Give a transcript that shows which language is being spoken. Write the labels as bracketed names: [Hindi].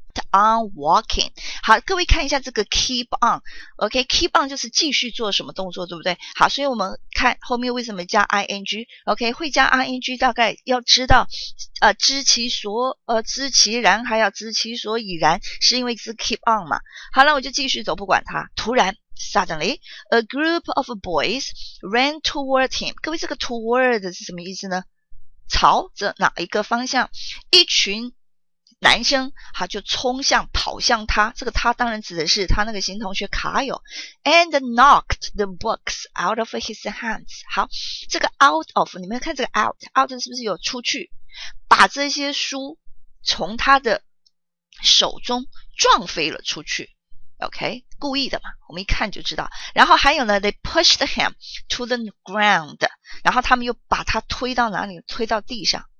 [Chinese] On walking， 好，各位看一下这个 keep on， OK， keep on 就是继续做什么动作，对不对？好，所以我们看后面为什么加 ing， OK， 会加 ing 大概要知道，知其然，还要知其所以然，是因为是 keep on 嘛。好了，我就继续走，不管它。突然 suddenly a group of boys ran toward him，各位这个 toward 是什么意思呢？朝着哪一个方向？一群男生哈就冲向跑向他，这个他当然指的是他那个新同学卡友。 [English] And knocked the books out of his hands。 [Chinese] 好，这个 out of， 你们看这个 out 是不是有出去，把这些书从他的手中撞飞了出去。 OK， 故意的嘛，我们一看就知道。然后还有呢， they pushed him to the ground，然后他们又把他推到哪里，推到地上。